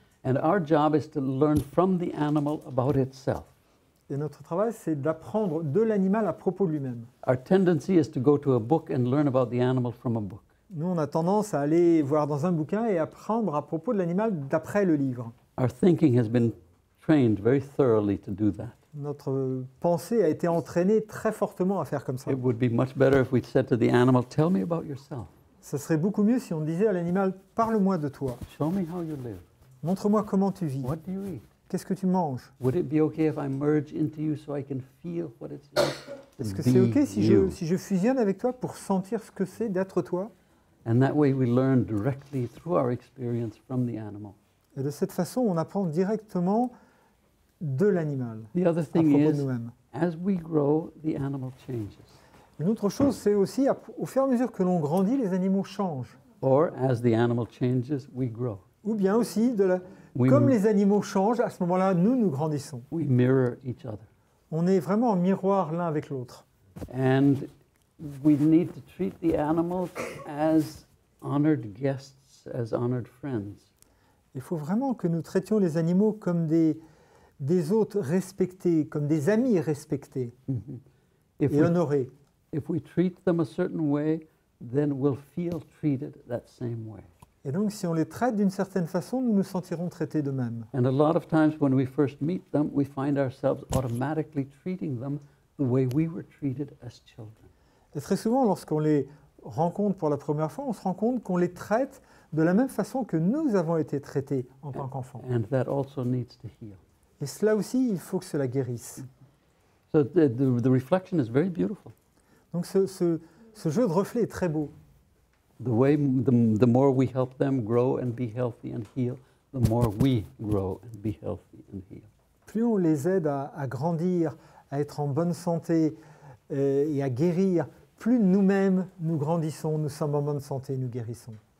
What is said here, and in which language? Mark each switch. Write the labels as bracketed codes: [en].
[en] And our job is to learn from the animal about itself. [fr] Et notre travail, c'est d'apprendre de l'animal à propos de lui-même. [en] Our tendency is to go to a book and learn about the animal from a book. [fr] Nous, on a tendance à aller voir dans un bouquin et apprendre à propos de l'animal d'après le livre. [en] Our thinking has been trained very thoroughly to do that. [fr] Notre pensée a été entraînée très fortement à faire comme ça. [en] It would be much better if we said to the animal, "Tell me about yourself." [fr] Ça serait beaucoup mieux si on disait à l'animal, parle-moi de toi. [en] Show me how you live. [fr] Montre-moi comment tu vis. [en] What do you eat? [fr] Qu'est-ce que tu manges? [en] Would it be okay if I merge into you so I can feel what it's like? [fr] Est-ce que c'est okay si je fusionne avec toi pour sentir ce que c'est d'être toi? [en] And that way we learn directly through our experience from the animal. [fr] Et de cette façon, on apprend directement de l'animal. [en] The other thing [fr] à propos [en] is, [fr] de nous-mêmes. [en] As we grow, the animal changes. [fr] Une autre chose, c'est aussi au fur et à mesure que l'on grandit, les animaux changent. [en] Or as the animal changes, we grow. [fr] Ou bien aussi de la comme les animaux changent, à ce moment-là, nous, nous grandissons. [en] We mirror each other. [fr] On est vraiment en miroir l'un avec l'autre. [en] And we need to treat the animals as honored guests, as honored friends. [fr] Il faut vraiment que nous traitions les animaux comme des hôtes respectés, comme des amis respectés et honorés. [en] If we treat them a certain way, then we'll feel treated that same way. [fr] Et donc, si on les traite d'une certaine façon, nous nous sentirons traités de même. [en] And a lot of times, when we first meet them, we find ourselves automatically treating them the way we were treated as children. [fr] Et très souvent, lorsqu'on les rencontre pour la première fois, on se rend compte qu'on les traite de la même façon que nous avons été traités en tant qu'enfants. [en] And that also needs to heal. [fr] Et cela aussi, il faut que cela guérisse. [en] So the reflection is very beautiful. [fr] Donc, ce jeu de reflet est très beau. [en] The way the more we help them grow and be healthy and heal, the more we grow and be healthy and heal. [fr] Plus on les aide à grandir, à être en bonne santé et à guérir, plus nous-mêmes nous grandissons, nous sommes en bonne santé, nous guérissons.